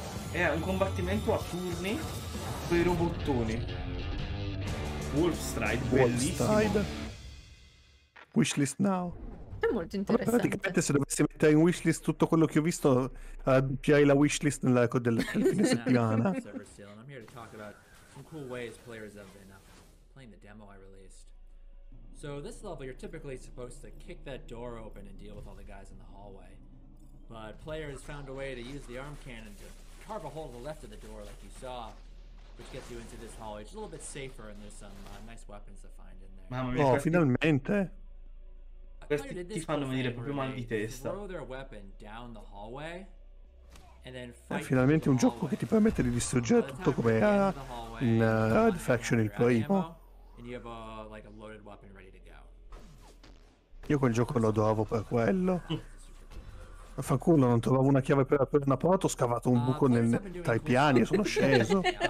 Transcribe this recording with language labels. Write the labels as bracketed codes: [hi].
[it] È un combattimento a turni con i robottoni. Wolfstride, bellissimo. [en] Wishlist now. [it] È molto interessante. Ma praticamente se dovessi mettere in wishlist tutto quello che ho visto, hai la wishlist nella del fine settimana. [en] I'm here to talk about some cool ways players have been playing the demo I released. So this level you're typically supposed to kick that door open and deal with all the guys in the hallway. But players found a way to use the arm cannon to carve a hole to the left of the door like you saw, which gets you into this hallway. It's a little bit safer and there's some nice weapons to find in there. [it] Mamma mia, oh, finalmente. Questi ti fanno venire proprio mal di testa. [en] Throw their weapon down the hallway and then fight. [it] Finalmente un gioco che ti permette di distruggere tutto come era in Red Faction il primo. [en] And you have a, like a loaded weapon ready to go. [it] Io quel gioco lo adoravo per quello. Fanculo, non trovavo una chiave per aprire una porta, ho scavato un buco tra i piani e sono sceso.